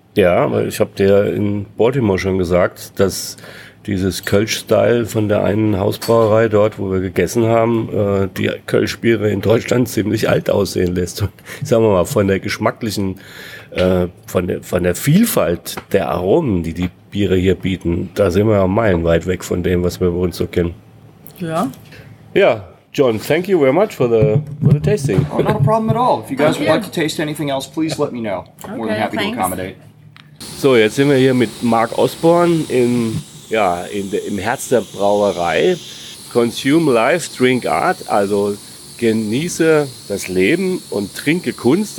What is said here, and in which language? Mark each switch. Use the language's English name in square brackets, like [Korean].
[German] Ja, weil ich habe dir in Baltimore schon gesagt, dass dieses Kölsch-Style von der einen Hausbrauerei dort, wo wir gegessen haben, die Kölsch-Biere in Deutschland ziemlich alt aussehen lässt. Und sagen wir mal, von der geschmacklichen, von der Vielfalt der Aromen, die Biere hier bieten. Da sind wir ja meilenweit weg von dem, was wir bei uns so kennen. Ja. [English] Ja, John, thank you very much for the tasting. Oh, not a problem at all. If you guys would like to taste anything else, please let me know. Okay, more than happy thanks. To accommodate. [German] So, jetzt sind wir hier mit Mark Osborne im Herz der Brauerei. [English] Consume life, drink art. [German] Also genieße das Leben und trinke Kunst.